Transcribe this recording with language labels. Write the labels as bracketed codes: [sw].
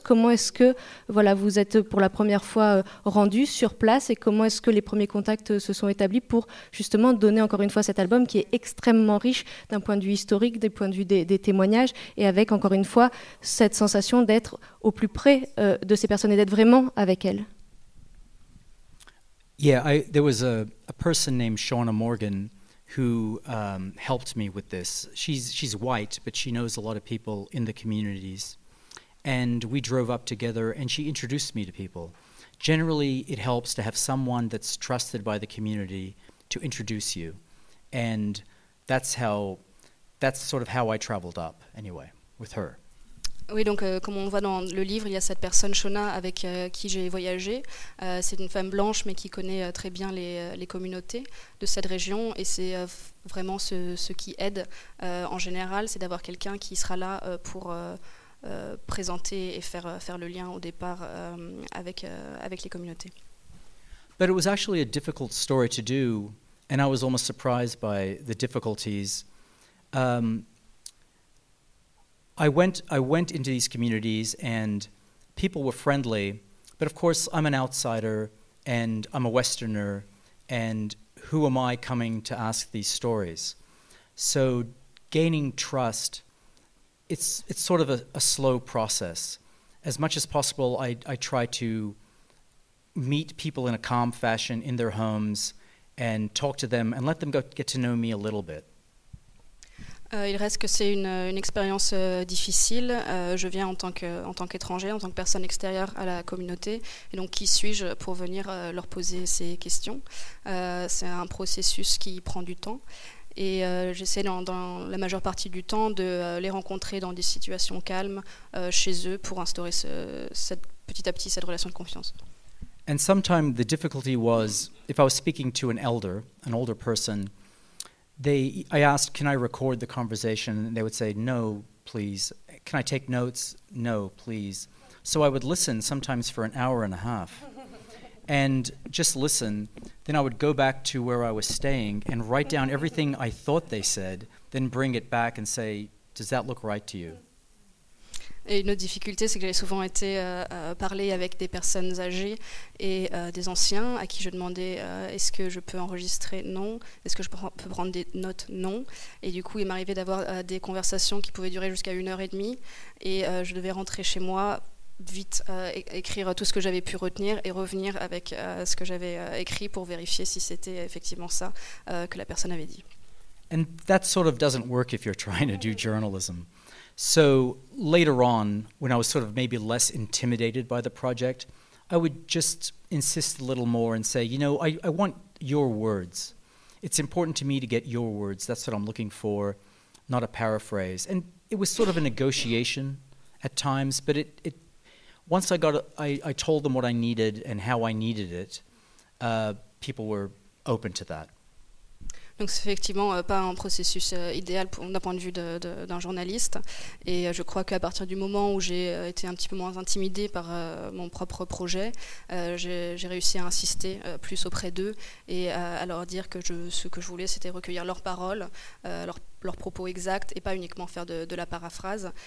[fr] Comment est-ce que, voilà, vous êtes pour la première fois rendu sur place, et comment est-ce que les premiers contacts se sont établis pour justement donner encore une fois cet album qui est extrêmement riche d'un point de vue historique, des points de vue des témoignages, et avec encore une fois cette sensation d'être au plus près de ces personnes et d'être vraiment avec elles. [en] Yeah, there was a person named Shauna Morgan who helped me with this. She's white, but she knows a lot of people in the communities, and we drove up together and she introduced me to people. Generally, it helps to have someone that's trusted by the community to introduce you, and that's sort of how I traveled up anyway with her. [fr] Oui, donc comme on voit dans le livre, il y a cette personne Shona avec qui j'ai voyagé. C'est une femme blanche, mais qui connaît très bien les communautés de cette région, et c'est vraiment ce qui aide en général, c'est d'avoir quelqu'un qui sera là pour présenter et faire le lien au départ avec les communautés. [en] But it was actually a difficult story to do, and I was almost surprised by the difficulties. I went into these communities, and people were friendly, but of course I'm an outsider, and I'm a Westerner, and who am I coming to ask these stories? So gaining trust, it's sort of a slow process. As much as possible, I try to meet people in a calm fashion in their homes and talk to them and let them get to know me a little bit. [fr] Il reste que c'est une expérience difficile. Je viens en tant qu'étranger, en tant que personne extérieure à la communauté. Et donc, qui suis-je pour venir leur poser ces questions? C'est un processus qui prend du temps. Et j'essaie dans la majeure partie du temps de les rencontrer dans des situations calmes chez eux pour instaurer cette relation de confiance. [en] And sometimes the difficulty was, if I was speaking to an older person, I asked, can I record the conversation? And they would say, no, please. Can I take notes? No, please. So I would listen sometimes for an hour and a half. And just listen. Then I would go back to where I was staying and write down everything I thought they said, then bring it back and say, does that look right to you? [fr] Et une autre difficulté, c'est que j'avais souvent été parler avec des personnes âgées et des anciens à qui je demandais est-ce que je peux enregistrer ? Non. Est-ce que je peux prendre des notes ? Non. Et du coup, il m'arrivait d'avoir des conversations qui pouvaient durer jusqu'à une heure et demie et je devais rentrer chez moi, vite écrire tout ce que j'avais pu retenir et revenir avec ce que j'avais écrit pour vérifier si c'était effectivement ça que la personne avait dit. [en] And that sort of doesn't work if you're trying to do journalism. So later on, when I was sort of maybe less intimidated by the project, I would just insist a little more and say, you know, I want your words. It's important to me to get your words. That's what I'm looking for, not a paraphrase. And it was sort of a negotiation at times, but it once I got, I told them what I needed and how I needed it, people were open to that. [fr] Donc c'est effectivement pas un processus idéal d'un point de vue d'un journaliste. Et je crois qu'à partir du moment où j'ai été un petit peu moins intimidée par mon propre projet, j'ai réussi à insister plus auprès d'eux et à leur dire que ce que je voulais, c'était recueillir leurs paroles, leurs propos exacts et pas uniquement faire de la paraphrase.